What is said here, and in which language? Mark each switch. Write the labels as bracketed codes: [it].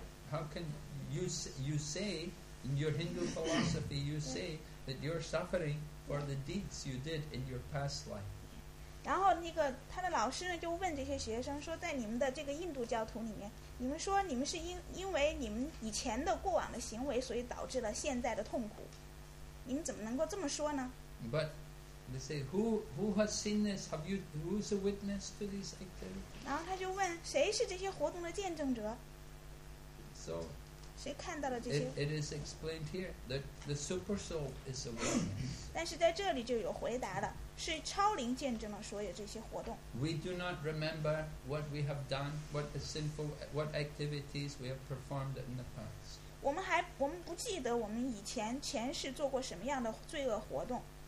[en] How can you say in your Hindu philosophy you say that you're suffering for the deeds you did in your past life? [zh] 然后那个他的老师呢就问这些学生说，在你们的这个印度教徒里面，你们说你们是因为你们以前的过往的行为，所以导致了现在的痛苦，你们怎么能够这么说呢？ [en] But they say who has seen this? Have you who's a witness to these activities? [zh] 然后他就问谁是这些活动的见证者？ [en] So It is explained here that the super soul is awareness. We do not remember what we have done, what the sinful, what activities we have performed in the past. [zh] 我们不记得我们以前前世做过什么样的罪恶活动。